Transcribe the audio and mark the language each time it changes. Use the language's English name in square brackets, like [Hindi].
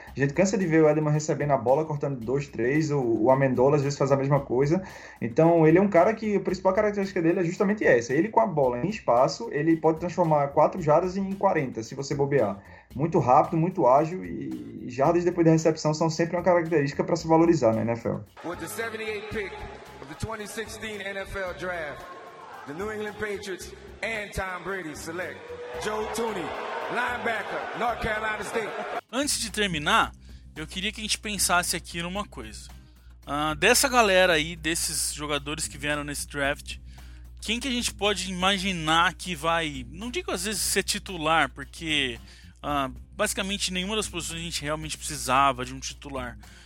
[Portuguese] A gente cansa de ver o Edelman recebendo a bola, cortando 2, 3, o Amendola às vezes faz a mesma coisa. Então ele é um cara que a principal característica dele é justamente essa: ele com a bola em espaço, ele pode transformar 4 jardas em 40, se você bobear. Muito rápido, muito ágil, e jardas depois da recepção são sempre uma característica para se valorizar na NFL. [English] With the 78th pick of the 2016 NFL Draft, the New England Patriots and Tom Brady select Joe Tooney, linebacker, North Carolina State. [Portuguese] Antes de terminar, eu queria que a gente pensasse aqui numa coisa. Dessa galera aí, desses jogadores que vieram nesse draft, quem que a gente pode imaginar que vai, não digo às vezes ser titular, porque basicamente nenhuma das posições a gente realmente precisava de um titular.